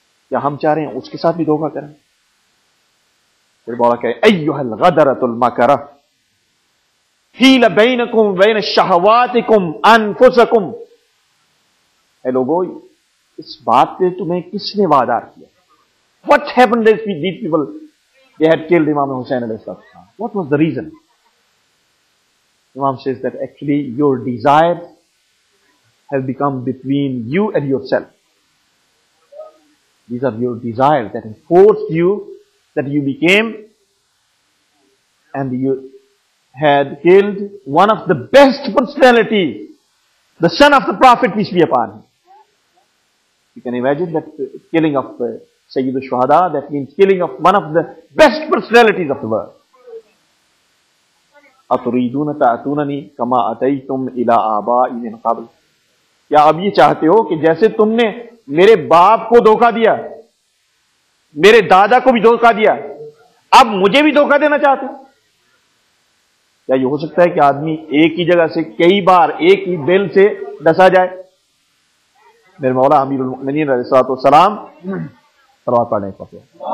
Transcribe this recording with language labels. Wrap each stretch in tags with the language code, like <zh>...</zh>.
<ur>کیا ہم چاہ رہے ہیں اس کے ساتھ بھی دھوکا کریں؟ پھر بولا کہ</ur> <ar>ایہا الغدرۃ المکرۃ حیل بینکم بین شہواتکم انفسکم،</ar> <ur>اے لوگو اس بات پہ تمہیں کس نے وادار کیا؟</ur> <en>What happened to these people? They had killed Imam Hussain علیہ السلام. What was the reason? Imam says that actually your desire has become between you and yourself. These are your desires that forced you, that you became and you had killed one of the best personalities, the son of the Prophet, peace be upon him. You can imagine that killing of Sayyid al-Shuhada, that means killing of one of the best personalities of the world.</en> <ar>أَتُرِيدُونَ تَعْتُونَنِي كَمَا أَتَيْتُمْ إِلَىٰ آبَائِ مِنْ قَبْلِ،</ar> <ur>کیا آپ یہ چاہتے ہو کہ جیسے تم نے میرے باپ کو دھوکا دیا، میرے دادا کو بھی دھوکا دیا، اب مجھے بھی دھوکا دینا چاہتے ہو؟ کیا یہ ہو سکتا ہے کہ آدمی ایک ہی جگہ سے کئی بار ایک ہی بیل سے ڈسا جائے؟ میرے مولا امیر المؤمنین علیہ الصلوۃ والسلام صلوات پڑھنے کا پڑھا،</ur>